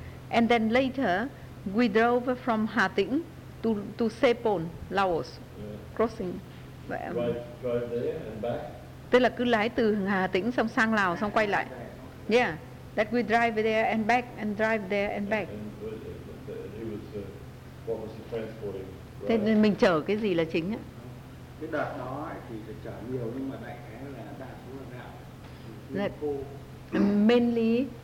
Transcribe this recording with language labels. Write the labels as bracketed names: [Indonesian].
[English] And then later we drove from Hà Tĩnh to Sepol, Laos, yeah. Crossing. Drive there and back. [Vietnamese] Tức là cứ lái từ Hà Tĩnh xong sang Lào xong quay lại. [English] Yeah, that we drive there and back and drive there and back. And right. [Vietnamese] Thế mình chở cái gì là chính á? Cái đợt đó thì chở nhiều nhưng mà đại khái là đa số là gạo, nguyên khô.